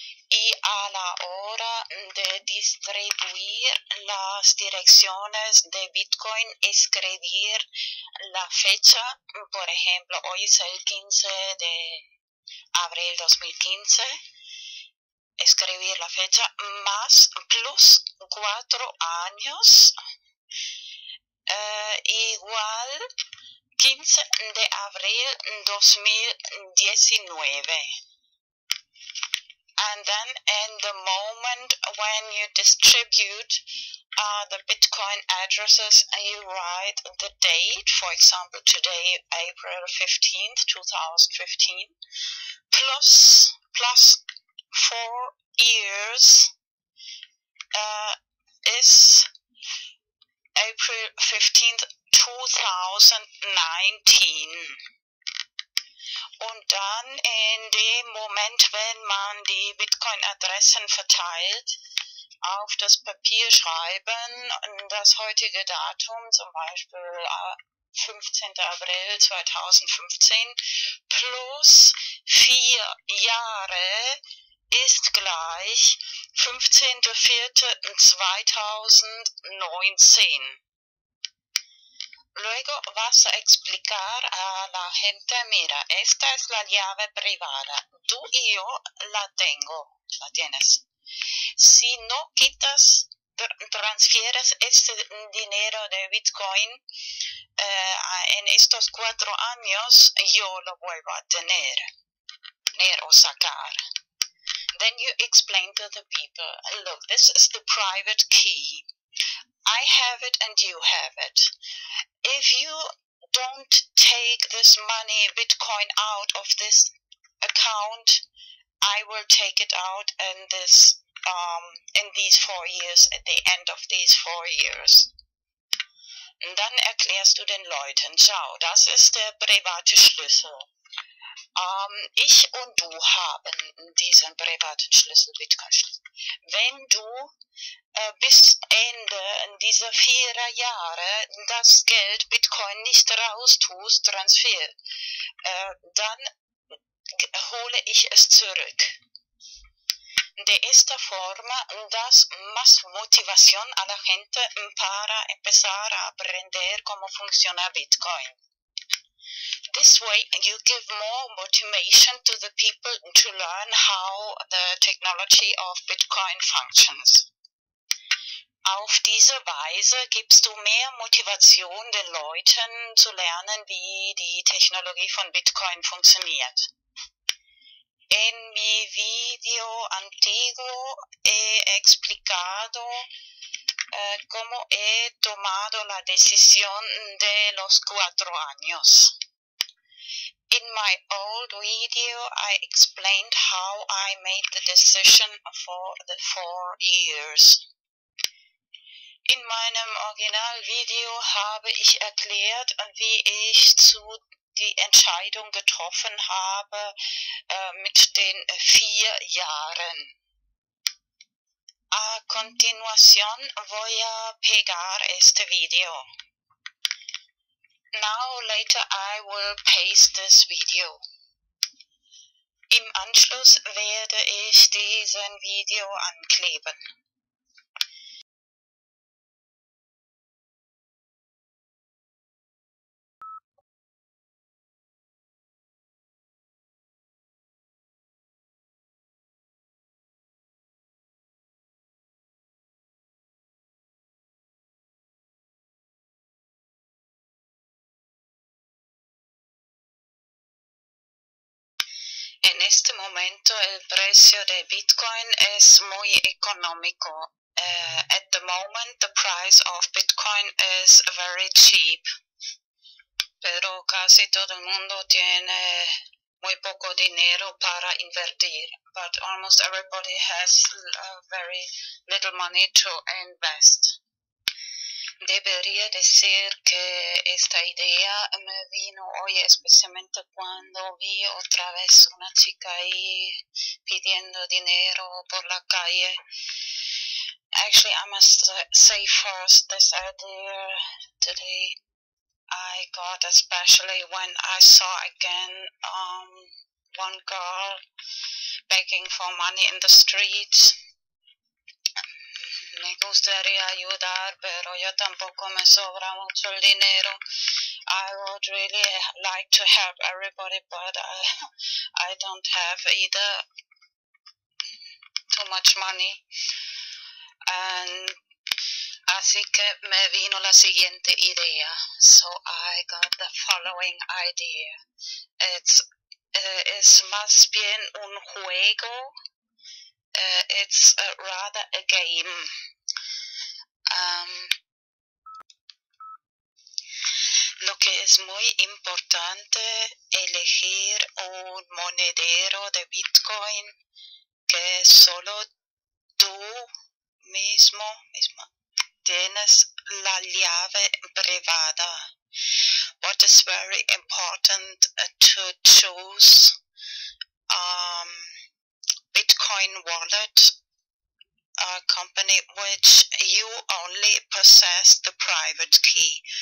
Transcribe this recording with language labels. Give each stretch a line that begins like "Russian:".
Spanish: Y a la hora de distribuir las direcciones de Bitcoin, escribir la fecha, por ejemplo, hoy es el 15 de abril 2015, escribir la fecha más plus 4 años, igual 15 de abril 2019.
English: And then in the moment when you distribute the Bitcoin addresses, you write the date, for example, today, April 15th, 2015, plus 4 years is April 15th, 2019.
German: Und dann in dem Moment, wenn man die Bitcoin-Adressen verteilt, auf das Papier schreiben, das heutige Datum, zum Beispiel 15. April 2015, plus 4 Jahre ist gleich 15.04.2019.
Spanish: Luego vas a explicar a la gente, mira, esta es la llave privada. Tú y yo la tengo, la tienes. Si no quitas, transfieres este dinero de Bitcoin, en estos 4 años, yo lo vuelvo a tener o sacar.
English: Then you explain to the people, look, this is the private key. I have it and you have it. If you don't take this money, Bitcoin, out of this account, I will take it out in this, in these 4 years, at the end of these 4 years.
German: Und dann erklärst du den Leuten, schau, das ist der private Schlüssel. Ich und du haben diesen privaten Schlüssel, Bitcoin-Schlüssel. Wenn du bis Ende dieser 4 Jahre das Geld Bitcoin nicht raustust, Transfer, dann hole ich es zurück.
Spanish: De esta forma das más motivación a la gente para empezar a aprender cómo funciona Bitcoin.
English: This way you give more motivation to the people to learn how the technology of Bitcoin functions.
German: Auf diese Weise gibst du mehr Motivation den Leuten zu lernen, wie die Technologie von Bitcoin funktioniert.
Spanish: En mi video antiguo he explicado cómo he tomado la decisión de los 4 años.
English: In my old video, I explained how I made the decision for the 4 years.
German: In meinem Originalvideo habe ich erklärt, wie ich die Entscheidung getroffen habe mit den 4 Jahren.
Spanish: A continuación voy a pegar este video.
English: Now later I will paste this video.
German: Im Anschluss werde ich diesen Video ankleben.
Spanish: En este momento el precio de Bitcoin es muy económico.
English: At the moment the price of Bitcoin is very cheap.
Spanish: Pero casi todo el mundo tiene muy poco dinero para invertir.
English: But almost everybody has very little money to invest.
Spanish: Debería decir que esta idea me vino hoy, especialmente cuando vi otra vez una chica ahí pidiendo dinero por la calle.
English: Actually, I must say first this idea today I got, especially when I saw again one girl begging for money in the streets.
Spanish: Me gustaría ayudar, pero yo tampoco me sobra mucho el dinero.
English: I would really like to help everybody, but I don't have either too much money. And
Spanish: así que me vino la siguiente idea.
English: So I got the following idea.
Spanish: Es más bien un juego.
English: It's rather a game.
Spanish: Lo que es muy importante elegir un monedero de Bitcoin que solo tú mismo tienes la llave privada.
English: what is very important to choose Bitcoin wallet company which you only possess the private key.